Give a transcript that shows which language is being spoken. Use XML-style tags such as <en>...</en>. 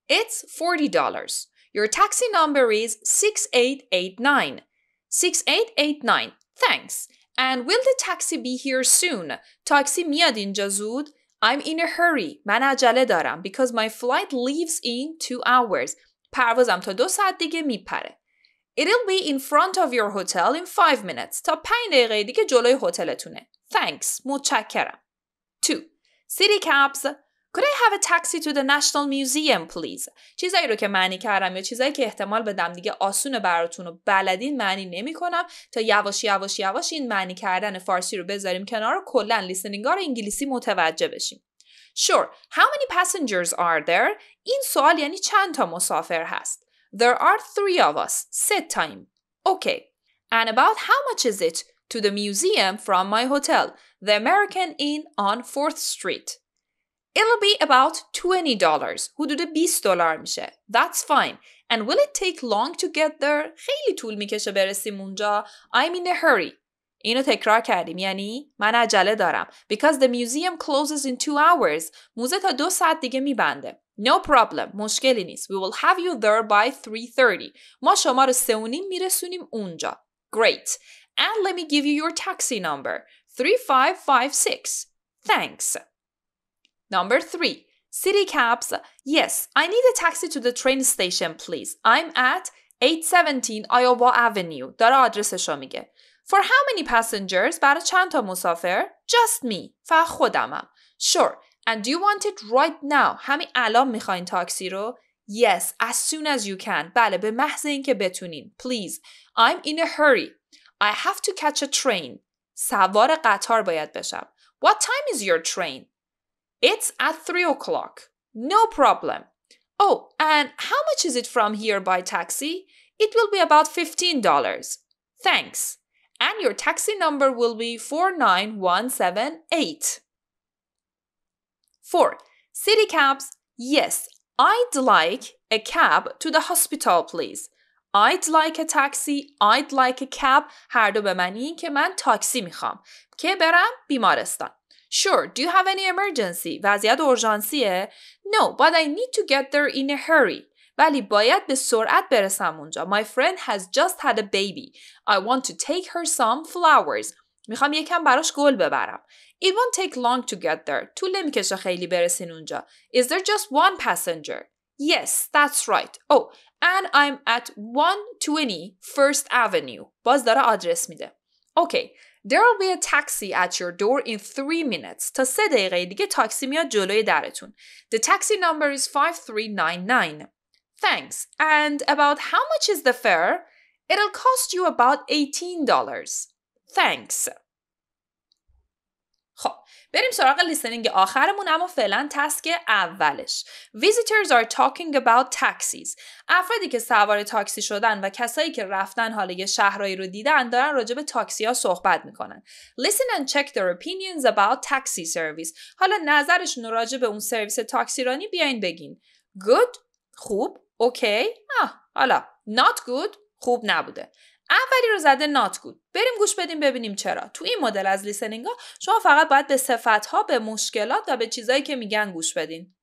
<en>It's $40. Your taxi number is 6889. 6889. Thanks. And will the taxi be here soon?</en> <fa>تاکسی میاد اینجا زود؟</fa> <en>I'm in a hurry.</en> <fa>من عجله دارم.</fa> <en>Because my flight leaves in 2 hours.</en> <fa>پروازم تا 2 ساعت دیگه میپره.</fa> <en>It'll be in front of your hotel in 5 minutes.</en> <fa>تا 5 دقیقه دیگه جلوی هتلتونه.</fa> <en>Thanks. متشکرم. 2. City cabs. Could I have a taxi to the National Museum, please?</en> <fa>چیزایی رو که معنی کردم یا چیزایی که احتمال بدم دیگه آسونه براتون و بلدین معنی نمی کنم، تا یواش یواش یواش این معنی کردن فارسی رو بذاریم کنار و کلن لیسنینگا رو انگلیسی متوجه بشیم.</fa> <en>Sure, how many passengers are there?</en> <fa>این سوال یعنی چند تا مسافر هست.</fa> <en>There are 3 of us. 3 times. Okay. And about how much is it to the museum from my hotel? The American Inn on 4th Street. It'll be about $20.</en> <fa>حدود 20 دلار میشه.</fa> <en>That's fine. And will it take long to get there?</en> <fa>خیلی طول میکشه برسیم اونجا.</fa> <en>I'm in a hurry.</en> <fa>اینو تکرار کردیم. یعنی من عجله دارم.</fa> <en>Because the museum closes in 2 hours.</en> <fa>موزه تا 2 ساعت دیگه میبنده.</fa> <en>No problem.</en> <fa>مشکلی نیست.</fa> <en>We will have you there by 3:30.</en> <fa>ما شما رو 3:30 میرسونیم اونجا.</fa> <en>Great. And let me give you your taxi number. 3556. Thanks. Number 3. City cabs. Yes, I need a taxi to the train station, please. I'm at 817 Iowa Avenue.</en> <fa>داره آدرسشو میگه.</fa> <en>For how many passengers?</en> <fa>برای چند تا مسافر؟</fa> <en>Just me.</en> <fa>فقط خودمم.</fa> <en>Sure. And do you want it right now?</en> <fa>همین الان میخواین تاکسی رو؟</fa> <en>Yes, as soon as you can. بله، به محض اینکه بتونین. Please. I'm in a hurry. I have to catch a train.</en> <fa>سوار قطار باید بشم.</fa> <en>What time is your train? It's at 3 o'clock. No problem. Oh, and how much is it from here by taxi? It will be about $15. Thanks. And your taxi number will be 49178. 4. City cabs. Yes, I'd like a cab to the hospital, please. I'd like a taxi. I'd like a cab.</en> <fa>هر دو به معنی این که من تاکسی میخوام که برم بیمارستان.</fa> <en>Sure, do you have any emergency?</en> <fa>وضعیت اورژانسیه؟</fa> <en>No, but I need to get there in a hurry.</en> <fa>ولی باید به سرعت برسم اونجا.</fa> <en>My friend has just had a baby. I want to take her some flowers.</en> <fa>میخوام یکم براش گل ببرم.</fa> <en>It won't take long to get there.</en> <fa>طول نمیکشه خیلی برسین اونجا.</fa> <en>Is there just one passenger? Yes, that's right. Oh, and I'm at 120 First Avenue.</en> <fa>باز داره آدرس میده. Okay.</fa> <en>There'll be a taxi at your door in 3 minutes.</en> <fa>تا 3 دقیقه دیگه تاکسی میاد جلوی درتون.</fa> <en>The taxi number is 5399. Thanks. And about how much is the fare? It'll cost you about $18. Thanks.</en> <fa>خب بریم سراغ لیسنینگ آخرمون اما فعلا تسک اولش.</fa> <en>Visitors are talking about taxis.</en> <fa>افرادی که سوار تاکسی شدن و کسایی که رفتن حالا یه شهرهایی رو دیدن دارن راجع به تاکسی ها صحبت میکنن.</fa> <en>Listen and check their opinions about taxi service.</en> <fa>حالا نظرشون راجع به اون سرویس تاکسی رانی بیاین بگین. Good؟ خوب؟ Okay؟ حالا Not good؟ خوب نبوده. اولی رو زده not good. بریم گوش بدیم ببینیم چرا. تو این مدل از لیسنینگ ها شما فقط باید به صفت ها، به مشکلات و به چیزایی که میگن گوش بدین.</fa>